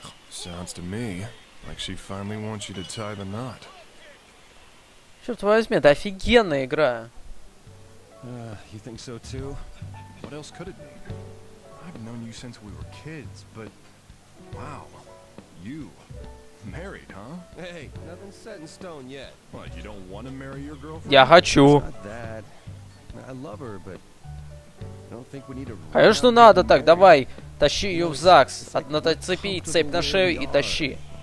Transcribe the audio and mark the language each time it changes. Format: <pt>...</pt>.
<en>Sounds to me like she finally wants you to tie the knot.</en> <ru>Черт возьми, это офигенная игра.</ru> <en>You think so too? What else could it mean? I've known you since we were kids, but wow, you married, huh? Hey, nothing set in stone yet. What, you don't want to marry your girlfriend?</en> <ru>Я хочу.</ru> <en>I love her, but I don't think we need to.</en> <ru>Конечно, надо так. Давай, тащи ее в ЗАГС. Нацепи цепь на шею и тащи.</ru>